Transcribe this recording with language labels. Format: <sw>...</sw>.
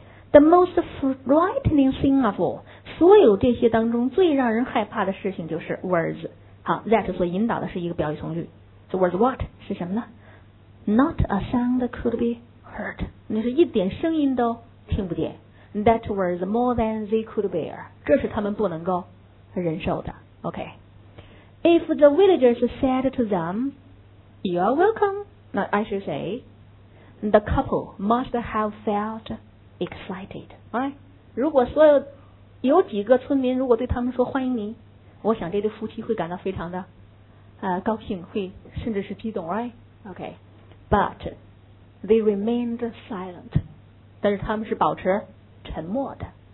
<en>The most frightening thing of all,</en> <zh>所有这些当中最让人害怕的事情就是 was, 好 ,that 所引导的是一个表语从句。</zh> <en>So was what?</en> <zh>是什么呢 ?</zh> <en>Not a sound could be heard.</en> <zh>那是一点声音都听不见。</zh> <en>That was more than they could bear.</en> <zh>这是他们不能够忍受的。</zh> <en>OK. If the villagers said to them, You are welcome. Now I should say, the couple must have felt excited. Right?</en> <zh>如果所有有几个村民如果对他们说欢迎你，我想这对夫妻会感到非常的高兴，会甚至是激动 ，</zh> <en>right? Okay, but they remained silent.</en> <zh>但是他们是保持沉默的。</zh>